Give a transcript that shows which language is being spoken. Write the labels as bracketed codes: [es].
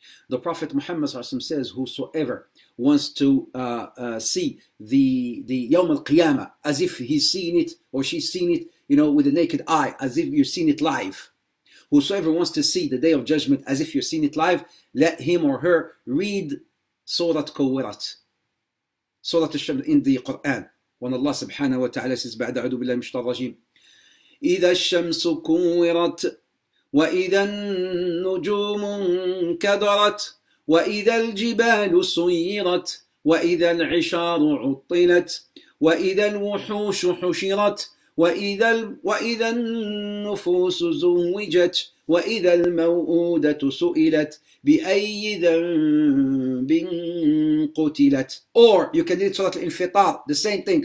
[en] The Prophet Muhammad says, whosoever wants to see the يوم القيامة as if he's seen it or she's seen it, you know, with the naked eye, as if you've seen it live. Whosoever wants to see the Day of Judgment as if you've seen it live, let him or her read Surat Kuwirat, Surat al-Shams in the Quran. [ar] When Allah subhanahu wa ta'ala says, بعد أعوذ بالله من الشيطان الرجيم, إذا الشمس كورت وإذا النجوم انكدرت وإذا الجبال سيرت وإذا العشار عطلت وإذا الوحوش حشرت وإذا النفوس زوجت وإذا الموءودة سئلت بأي ذنب قتلت. [en] Or you can read Surah Al-Infitar, the same thing.